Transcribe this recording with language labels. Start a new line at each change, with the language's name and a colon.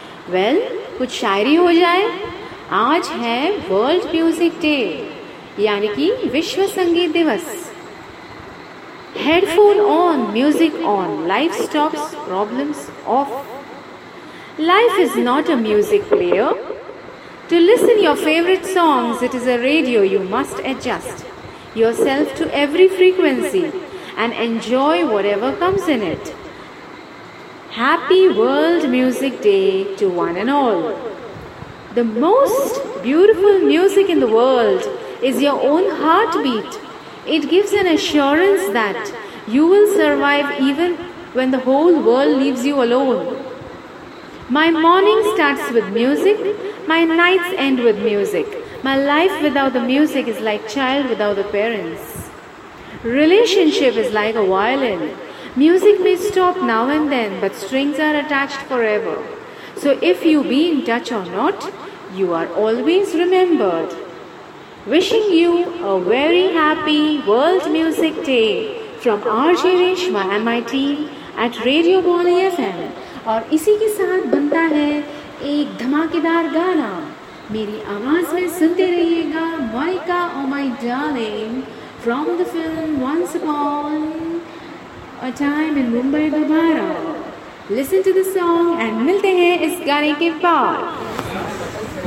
Hindi: Well, कुछ शायरी हो जाए। आज है वर्ल्ड म्यूजिक डे, यानी कि विश्व संगीत दिवस।
English: Headphone on music on, life stops problems off. Life is not a music player. To listen your favorite songs, it is a radio you must adjust yourself to every frequency and enjoy whatever comes in it. Happy World Music Day to one and all. The most beautiful music in the world is your own heartbeat. It gives an assurance that you will survive even when the whole world leaves you alone. My morning starts with music. My nights end with music. My life without the music is like child without the parents. Relationship is like a violin. Music may stop now and then, but strings are attached forever. So if you be in touch or not, you are always remembered. Wishing you a very happy World Music Day from RJ Reshma and my team at Radio Bali FM.
Hindi: और इसी के साथ बनता है एक धमाकेदार गाना मेरी आवाज में सुनते रहिएगा Monika oh my darling
English: from the film
Hindi: once upon a time in Mumbai दोबारा
English: listen to the song and
Hindi: मिलते हैं इस गाने के बाद